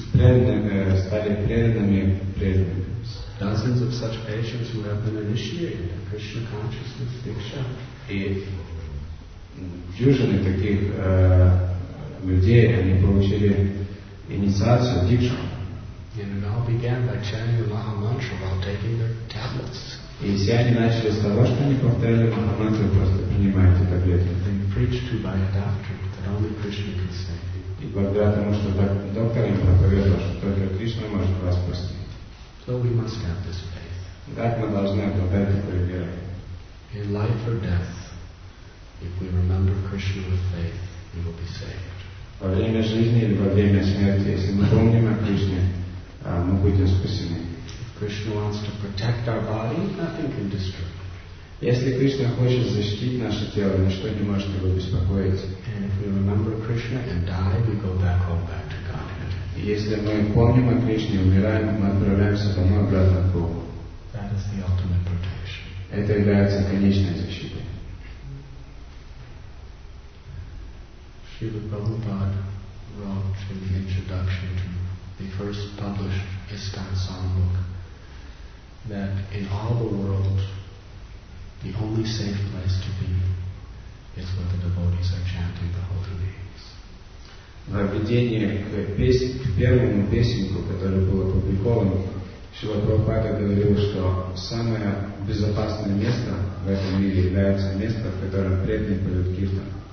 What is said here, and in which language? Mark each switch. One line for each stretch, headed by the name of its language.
Russian: Стали преданными преданными.
English: Dozens of such patients who have been initiated in Krishna consciousness diksha.
Russian: И дюжины таких людей, они получили инициацию дикшу.
English: And it all began by chanting the Maha Mantra while taking their tablets.
Russian: И все они начали с того, что они повторяли Маха Мантру, просто принимая эти таблетки.
English: They preached to by a doctor that only Krishna can save.
Russian: И благодаря тому, что доктор им проповедовал, что только Кришна может вас спасти.
English: So we must have this faith.
Russian: Так мы должны обладать такой верой.
English: In life or death, if we remember Krishna with faith, we will be saved.
Russian: Во время жизни или во время смерти, если мы помним о Кришне, мы будем спасены.
English: If Krishna wants to protect our body, nothing can destroy.
Russian: Если Кришна хочет защитить наше тело, ничто не может его беспокоить.
English: And if we remember Krishna and die, we go back home back to God.
Russian: Если мы помним о Кришне, умираем, мы отправляемся домой обратно к Богу.
English: That is the ultimate protection.
Russian: Это является конечной защитой.
English: Шрила Прабхупада wrote in the introduction to the first published ISKCON songbook that in all the world the only safe place to be is where the devotees are chanting the holy name.
Russian: В введении к первому песенку, который был опубликован, Шрила Прабхупада говорил, что самое безопасное место в этом мире является место, в котором преданные поют киртан.